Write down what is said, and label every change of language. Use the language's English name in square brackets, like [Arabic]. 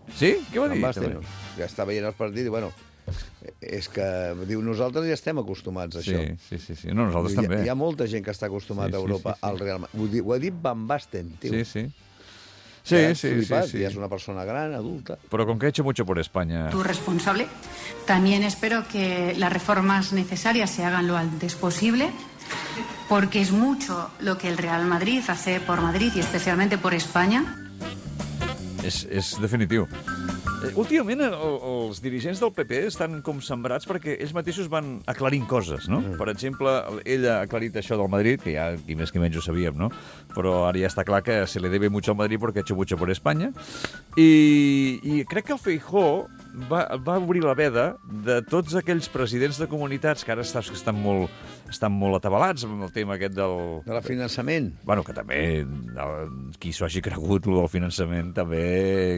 [Catalan] Sí? Què va dir? Van Basten. Ja està veient el partit i, bueno, és que... Diu, nosaltres ja estem acostumats a això. Sí, sí, sí. Sí. No, nosaltres diu, també. Hi ha molta gent que està acostumada a Europa, al Real Madrid. Ho ha dit Van Basten, tio. Sí, sí. Sí, sí, flipat, sí, sí. Ja és una persona gran, adulta. Però com que [Spanish] he hecho mucho por España... [Catalan] Tu responsable. [Spanish] También espero que las reformas necesarias se hagan lo antes posible... Porque es mucho lo que el Real Madrid hace por Madrid y especialmente por España. [Catalan] És definitiu. Últimament els dirigents del PP estan com sembrats perquè ells mateixos van aclarint coses, no? Mm. Per exemple, ell ha aclarit això del Madrid, que ja i més que menys ho sabíem, no? Però ara ja està clar que [Spanish] se le debe mucho al Madrid porque ha hecho mucho por España. [Catalan] I crec que el Feijóo va obrir la veda de tots aquells presidents de comunitats que ara estan molt atabalats amb el tema aquest del... De la finançament. Bueno, que també qui s'ho hagi cregut, lo del finançament, també...